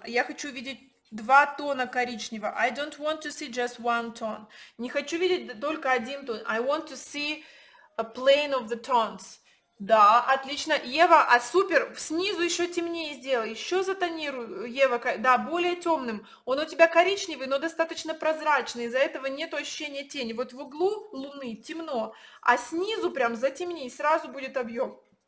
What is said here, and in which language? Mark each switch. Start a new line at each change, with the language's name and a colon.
Russian: Я хочу видеть два тона коричневого.
English: I don't want to see just one tone.
Russian: Не хочу видеть только один тон.
English: I want to see a plane of the tones.
Russian: Да, отлично. Ева, а супер, снизу еще темнее сделай. Еще затонируй, Ева, да, более темным. Он у тебя коричневый, но достаточно прозрачный. Из-за этого нет ощущения тени. Вот в углу луны темно, а снизу прям затемни, и сразу будет объем.